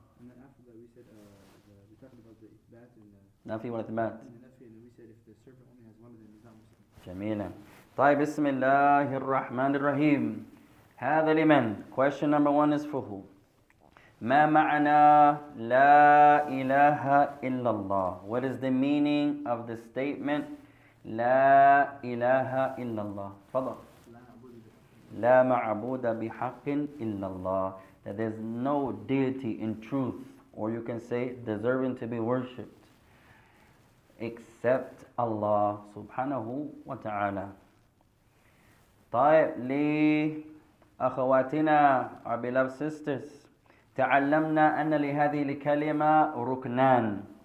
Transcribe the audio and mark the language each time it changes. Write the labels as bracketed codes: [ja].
[en] And then after that we said, we talked about the إِثْبَات and the [ar] نَفِي وَالْإِثْبَات. [en] And then we said if the servant only has one of them, he's not Muslim. [ar] جميلا. طيب بسم الله الرحمن الرحيم. هذا لمن؟ [en] Question number one is for who? [ar] ما معنى لا إله إلا الله؟ [en] What is the meaning of the statement [ar] لا إله إلا الله؟ تفضل. لا معبود بحق إلا الله. [en] That there's no deity in truth, or you can say deserving to be worshipped, except Allah سبحانه وتعالى. [ar] طيب لي أخواتنا, [en] our beloved sisters. [ar] تعلمنا أن لهذه الكلمة ركنان.